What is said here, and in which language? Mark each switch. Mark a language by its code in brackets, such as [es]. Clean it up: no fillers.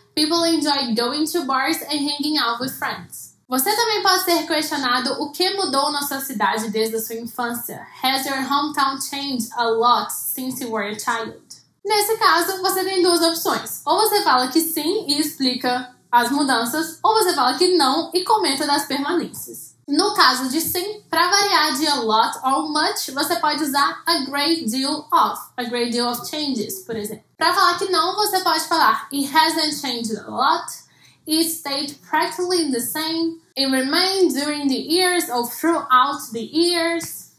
[en] People enjoy going to bars and hanging out with friends. [pt] Você também pode ser questionado o que mudou na sua cidade desde a sua infância. [en] Has your hometown changed a lot since you were a child? [pt] Nesse caso, você tem duas opções. Ou você fala que sim e explica as mudanças, ou você fala que não e comenta das permanências. No caso de sim, para variar de [en] a lot or much, [pt] você pode usar [en] a great deal of, a great deal of changes, [pt] por exemplo. Para falar que não, você pode falar [en] it hasn't changed a lot, it stayed practically the same, it remained during the years or throughout the years.